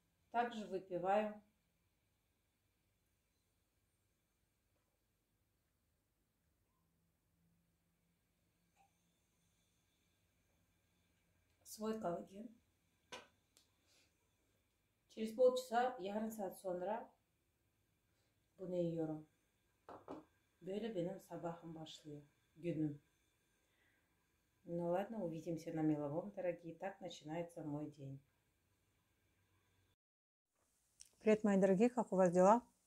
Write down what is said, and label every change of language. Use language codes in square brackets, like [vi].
[ru] Также выпиваю свой коллаген. Через полчаса, [tr] yarım saat sonra bunu yiyorum. Böyle benim sabahım başlıyor. Günüm. [ru] Ну ладно, увидимся на меловом, дорогие. Так начинается мой день. Привет, мои дорогие, как у вас дела?